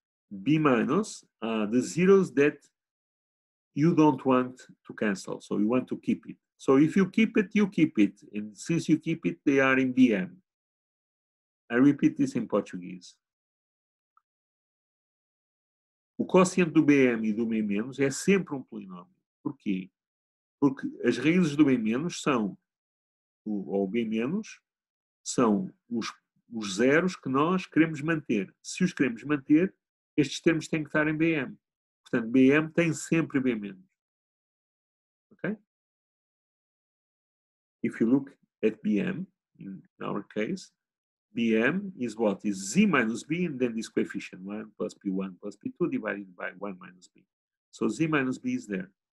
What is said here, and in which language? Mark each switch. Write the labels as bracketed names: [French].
[English] B minus are the zeros that you don't want to cancel, so you want to keep it. So if you keep it, you keep it, and since you keep it, they are in Bm. I repeat this in Portuguese. [Portuguese] O quociente do BM e do BM- é sempre um polinômio. Por quê? Porque as raízes do BM- são, ou BM- são os zeros que nós queremos manter. Se os queremos manter, estes termos têm que estar em BM. Portanto, BM tem sempre BM-. Ok? [English] If you look at BM, in our case, Bm is what? Is z minus b and then this coefficient 1 plus b1 plus b2 divided by 1 minus b. So z minus b is there.